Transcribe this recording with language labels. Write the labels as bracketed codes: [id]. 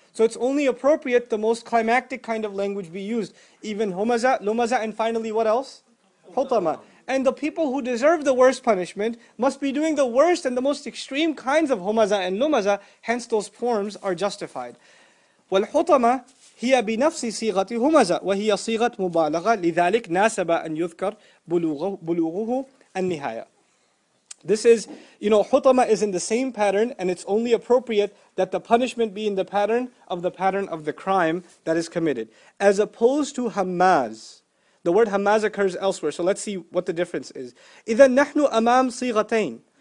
[en] So it's only appropriate the most climactic kind of language be used. Even humaza, lumaza, and finally what else? Hutama. And the people who deserve the worst punishment must be doing the worst and the most extreme kinds of humaza and lumaza, hence those forms are justified. [ar] Well, hutama, هي بنفس صيغة همزة وهي صيغة مبالغة لذلك ناسب أن يذكر بلوغه النهاية. [en] This is, you know, hutama is in the same pattern, and it's only appropriate that the punishment be in the pattern of the crime that is committed, as opposed to hamaz. The word hamaz occurs elsewhere, so let's see what the difference is. [ar] إذا نحن أمام صيغتين.